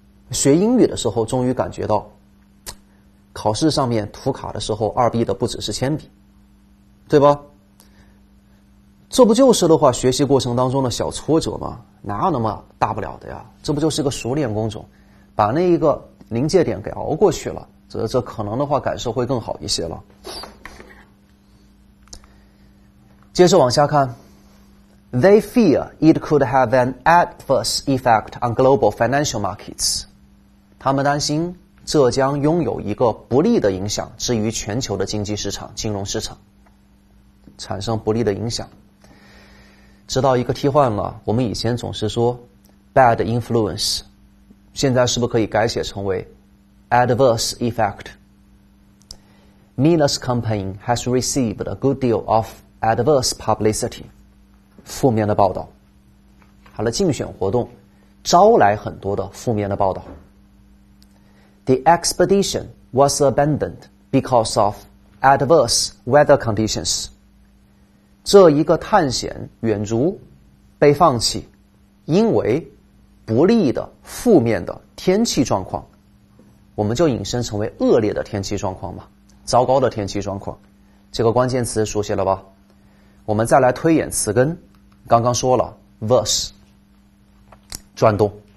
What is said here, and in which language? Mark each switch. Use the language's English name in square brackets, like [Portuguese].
[Chinese] 学英语的时候终于感觉到考试上面涂卡的时候二 B 的不只是铅笔，对吧？这不就是的话学习过程当中的小挫折吗？哪有那么大不了的呀，这不就是个熟练工种，把那一个临界点给熬过去了，这可能的话感受会更好一些了。接着往下看， [English] They fear it could have an adverse effect on global financial markets， [Chinese] 他们担心这将拥有一个不利的影响，至于全球的经济市场、金融市场产生不利的影响。知道一个替换了，我们以前总是说 [English] bad influence， [Chinese] 现在是不是可以改写成为 [English] adverse effect？ Mina's campaign has received a good deal of adverse publicity， [Chinese] 负面的报道。好了，竞选活动招来很多的负面的报道。 [English] The expedition was abandoned because of adverse weather conditions。 [Chinese] 这一个探险远足被放弃，因为不利的负面的天气状况，我们就引申成为恶劣的天气状况嘛，糟糕的天气状况。这个关键词熟悉了吧？我们再来推演词根，刚刚说了 verse 转动。